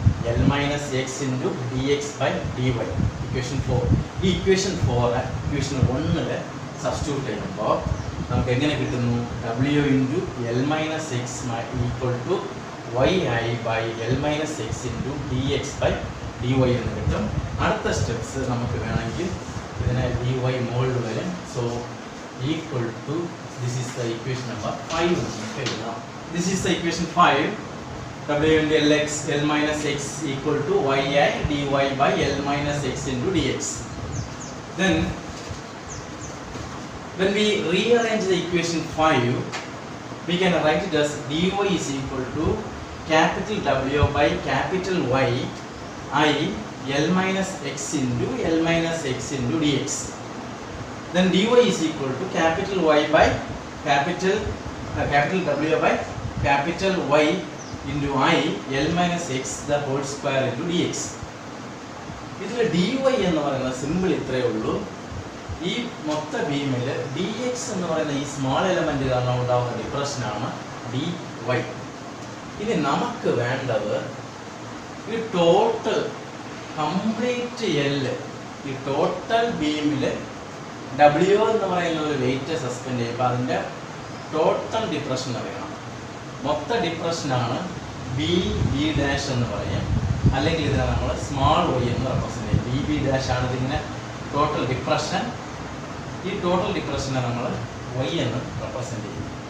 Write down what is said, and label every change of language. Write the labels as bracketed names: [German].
[Malayalam] L minus X into D X by D Y equation 4 ഈ equation 4 equation 1 substitute ചെയ്യുമ്പോൾ നമുക്ക് എങ്ങനെ കിട്ടുന്നു W into L minus X equal to Y I by L minus X into D X by D Y എന്ന് കിട്ടും അടുത്ത steps നമുക്ക് വേണമെങ്കിൽ ഇതിനെ ഡി വൈ മോൾഡ് വരും so [English] equal to this is the equation number 5 [Malayalam] നമുക്ക് എഴുതാം [English] This is the equation 5 W into Lx, L minus X equal to Yi dy by L minus X into dx. Then, when we rearrange the equation 5, we can write it as dy is equal to capital W by capital Y I L minus X into L minus X into dx. Then dy is equal to capital Y by capital, capital W by capital Y into I L minus X the whole square into dx. [Malayalam] ഇതിലെ D Y എന്ന് പറയുന്ന simple ഇത്രയേ ഉള്ളൂ ഈ മൊത്ത ബീമിൽ D X എന്ന് പറയുന്ന ഈ സ്മോൾ എലമെൻ്റ് കാരണം ഉണ്ടാകുന്ന ഡിപ്രഷനാണ് ഡി വൈ ഇനി നമുക്ക് വേണ്ടത് ഈ ടോട്ടൽ കംപ്ലീറ്റ് എൽ ഈ ടോട്ടൽ ബീമിൽ ഡബ്ല്യു എന്ന് പറയുന്ന ഒരു വെയിറ്റ് സസ്പെൻഡ് ചെയ്യുമ്പോൾ അതിൻ്റെ ടോട്ടൽ ഡിപ്രഷൻ അറിയണം മൊത്ത ഡിപ്രഷനാണ് ബി ബി ഡാഷ് എന്ന് പറയാം അല്ലെങ്കിൽ ഇതിനാണ് നമ്മൾ സ്മോൾ വൈ എന്ന് റെപ്രസെൻ്റ് ചെയ്യുന്നത് ബി ബി ഡാഷ് ആണ് ഇതിങ്ങനെ ടോട്ടൽ ഡിപ്രഷൻ ഈ ടോട്ടൽ ഡിപ്രഷനെ നമ്മൾ വൈ എന്ന് റെപ്രസെൻ്റ് ചെയ്യുന്നു